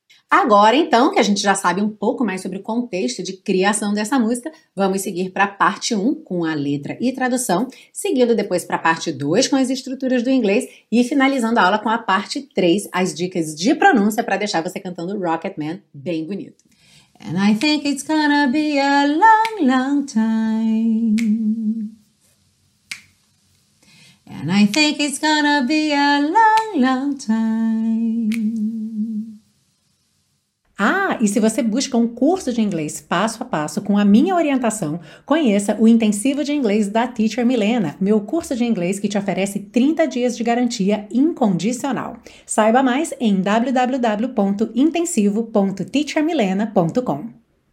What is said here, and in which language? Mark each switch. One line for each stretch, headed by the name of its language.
Portuguese: Agora então, que a gente já sabe um pouco mais sobre o contexto de criação dessa música, vamos seguir para a parte 1 com a letra e tradução, seguindo depois para a parte 2 com as estruturas do inglês e finalizando a aula com a parte 3, as dicas de pronúncia para deixar você cantando Rocket Man bem bonito.
English: And I think it's gonna be a long, long time. And I think it's gonna be a long, long time.
Portuguese: Ah, e se você busca um curso de inglês passo a passo com a minha orientação, conheça o Intensivo de Inglês da Teacher Milena, meu curso de inglês que te oferece 30 dias de garantia incondicional. Saiba mais em www.intensivo.teachermilena.com.